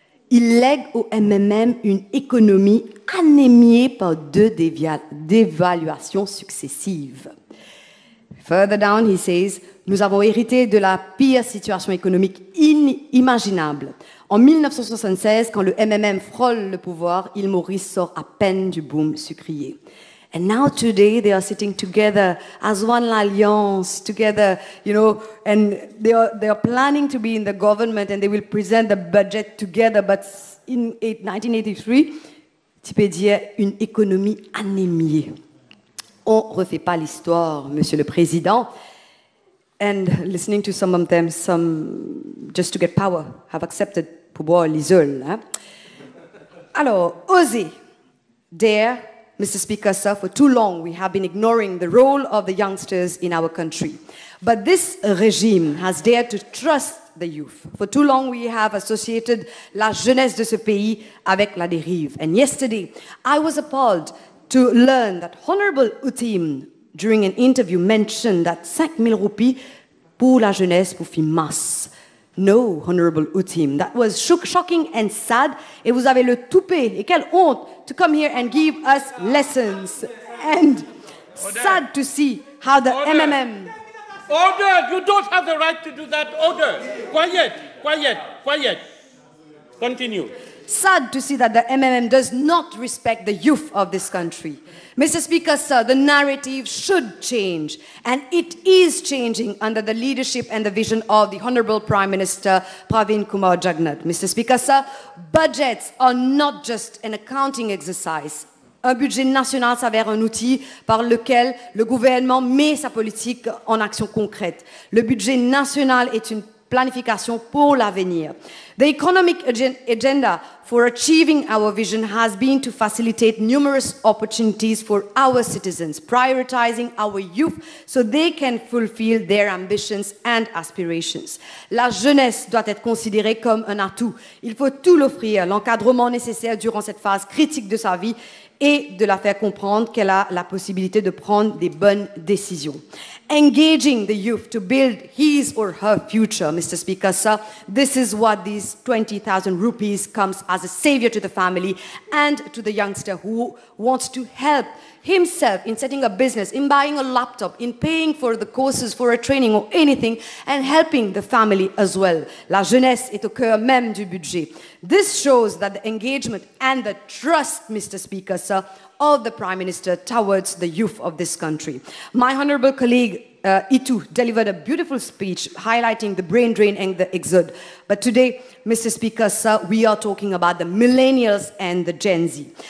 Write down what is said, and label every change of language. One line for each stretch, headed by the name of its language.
French: Ils lèguent au MMM une économie anémiée par deux dévaluations successives.
English: Further down, he says,
French: nous avons hérité de la pire situation économique inimaginable. En 1976, quand le MMM frôle le pouvoir, il Maurice sort à peine du boom sucrier.
English: And now today, they are sitting together as one alliance, together, you know, and they are planning to be in the government and they will present the budget together. But in 1983,
French: tu peux dire une économie anémiée. On refait pas l'histoire, Monsieur le Président.
English: And listening to some of them, some just to get power, have accepted pouvoir l'isole. Hein?
French: Alors, oser,
English: dare, Mr. Speaker, sir, for too long we have been ignoring the role of the youngsters in our country. But this regime has dared to trust the youth. For too long we have associated
French: la jeunesse de ce pays avec la dérive.
English: And yesterday I was appalled to learn that Honorable Outim, during an interview, mentioned that 5,000 rupees
French: pour la jeunesse pour fin masse.
English: No, Honorable Outim, that was shocking and sad.
French: Et vous avez le toupet, et quelle honte,
English: to come here and give us lessons. And sad to see how the order. MMM... Order, you don't have the right to do that, order. Quiet, quiet, quiet. Continue. Sad to see that the MMM does not respect the youth of this country. Mr. Speaker, sir, the narrative should change, and it is changing under the leadership and the vision of the Honorable Prime Minister Pravin Kumar Jagnauth. Mr. Speaker, sir, budgets are not just an accounting exercise.
French: Un budget national s'avère un outil par lequel le gouvernement met sa politique en action concrète. Le budget national est une planification pour l'avenir.
English: The economic agenda for achieving our vision has been to facilitate numerous opportunities for our citizens, prioritizing our youth so they can fulfill their ambitions and aspirations.
French: La jeunesse doit être considérée comme un atout. Il faut tout l'offrir, l'encadrement nécessaire durant cette phase critique de sa vie et de la faire comprendre qu'elle a la possibilité de prendre des bonnes décisions.
English: Engaging the youth to build his or her future, Mr. Speaker, sir, this is what these 20,000 rupees comes as a savior to the family and to the youngster who wants to help himself in setting a business, in buying a laptop, in paying for the courses, for a training or anything, and helping the family as well.
French: La jeunesse est au cœur même du budget.
English: This shows that the engagement and the trust, Mr. Speaker, sir, of the Prime Minister towards the youth of this country. My honorable colleague, Itu, delivered a beautiful speech highlighting the brain drain and the exode. But today, Mr. Speaker, sir, we are talking about the millennials and the Gen Z.